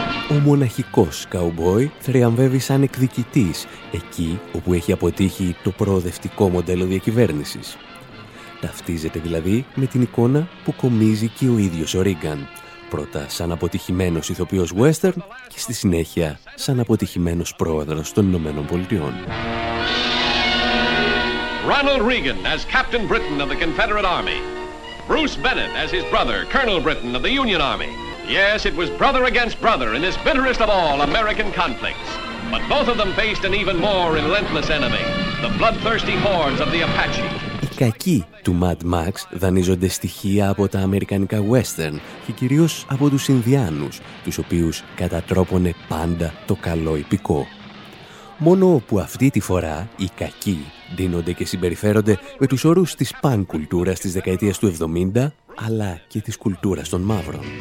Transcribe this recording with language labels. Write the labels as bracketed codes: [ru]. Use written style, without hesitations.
[el] Ο μοναχικός καουμπόι θριαμβεύει σαν εκδικητής εκεί όπου έχει αποτύχει το προοδευτικό μοντέλο διακυβέρνησης. Ταυτίζεται δηλαδή με την εικόνα που κομίζει και ο ίδιος ο Ρίγκαν, πρώτα σαν αποτυχημένος ηθοποιός western και στη συνέχεια σαν αποτυχημένος πρόεδρος των Ηνωμένων Πολιτειών. [en] Ronald Reagan as Captain Britain of the Confederate Army. Bruce Bennett as his brother, Colonel Britain of the Union Army. Yes, it was brother against brother in this bitterest of all American conflicts. But both of them faced an even more relentless enemy, the bloodthirsty hordes of the Apache. [el] Οι κακοί του Mad Max δανείζονται στοιχεία από τα αμερικανικά western και κυρίως από τους Ινδιάνους, τους οποίους κατατρόπωνε πάντα το καλό υπηκό. Μόνο που αυτή τη φορά οι κακοί ντύνονται και συμπεριφέρονται με τους όρους της πανκ κουλτούρας της δεκαετίας του 70, αλλά και της κουλτούρας των μαύρων.